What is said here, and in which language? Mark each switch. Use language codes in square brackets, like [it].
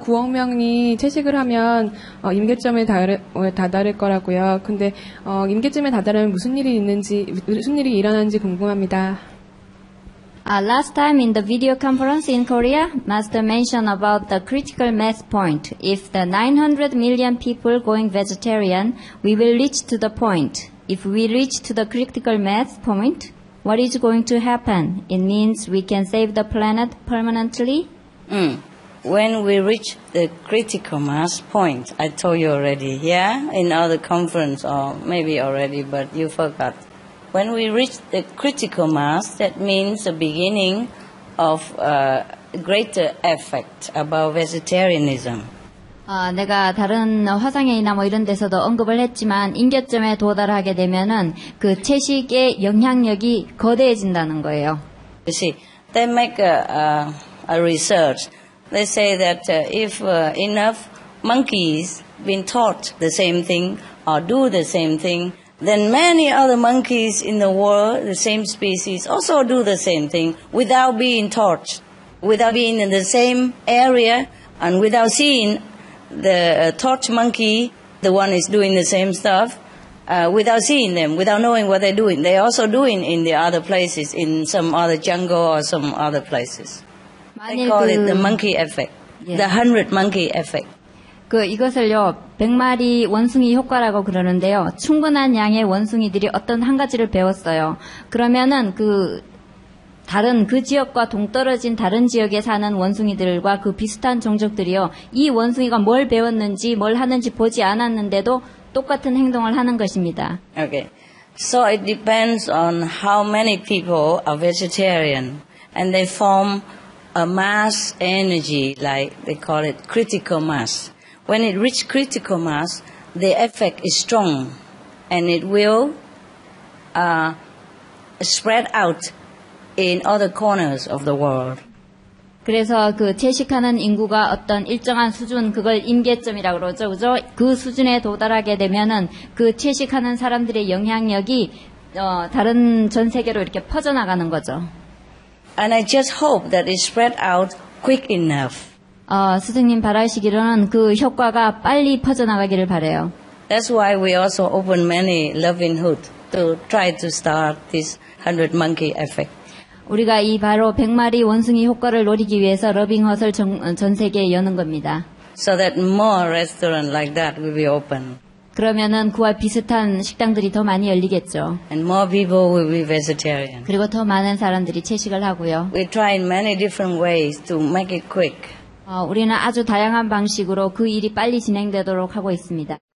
[ko] 9억 명이 채식을 하면 임계점에 다다를 거라고요. 근데 임계점에 다다르면 무슨 일이 일어난지 궁금합니다. [en] Last time in the video conference in Korea, Master mentioned about the critical mass point. If the 900 million people going vegetarian, we will reach to the point. If we reach to the critical mass point, what is going to happen? It means we can save the planet permanently? When we reach the critical mass point, I told you already, yeah? In other conference, or maybe already, but you forgot. When we reach the critical mass, that means the beginning of a greater effect about vegetarianism. [ko] 내가 다른 화상회의나 뭐 이런 데서도 언급을 했지만 임계점에 도달하게 되면은 그 채식의 영향력이 거대해진다는 거예요. [en] You see, they make a research. They say that if enough monkeys been taught the same thing or do the same thing, then many other monkeys in the world, the same species, also do the same thing without being taught, without being in the same area, and without seeing the taught monkey, the one is doing the same stuff, without seeing them, without knowing what they're doing. They're also doing in the other places, in some other jungle or some other places. They call it the monkey effect, the 100 monkey effect. [ko] 이것을요, 100마리 원숭이 효과라고 그러는데요. 충분한 양의 원숭이들이 어떤 한 가지를 배웠어요. 그러면은 다른 그 지역과 동떨어진 다른 지역에 사는 원숭이들과 그 비슷한 종족들이요. 이 원숭이가 뭘 배웠는지, 뭘 하는지 보지 않았는데도 똑같은 행동을 하는 것입니다. [en] Okay. So it depends on how many people are vegetarian and they form a mass energy, like they call it critical mass. When it reaches critical mass, the effect is strong and it will spread out in other corners of the world. [ko] 그래서 그 채식하는 인구가 어떤 일정한 수준, 그걸 임계점이라고 그러죠. 그죠? 그 수준에 도달하게 되면은 그 채식하는 사람들의 영향력이 다른 전 세계로 이렇게 퍼져나가는 거죠. [en] And I just hope that it spread out quick enough. [ko] 스승님 바라시기로는 그 효과가 빨리 퍼져나가기를 바래요. [en] That's why we also open many loving hood to try to start this 100 monkey effect. [ko] 우리가 이 바로 100마리 원숭이 효과를 노리기 위해서 러빙헛을 전 세계에 여는 겁니다. [en] So that more restaurants like that will be open. [ko] 그러면은 그와 비슷한 식당들이 더 많이 열리겠죠. [en] And more people will be vegetarian. [ko] 그리고 더 많은 사람들이 채식을 하고요. [en] We try in many different ways to make it quick. [ko] 우리는 아주 다양한 방식으로 그 일이 빨리 진행되도록 하고 있습니다.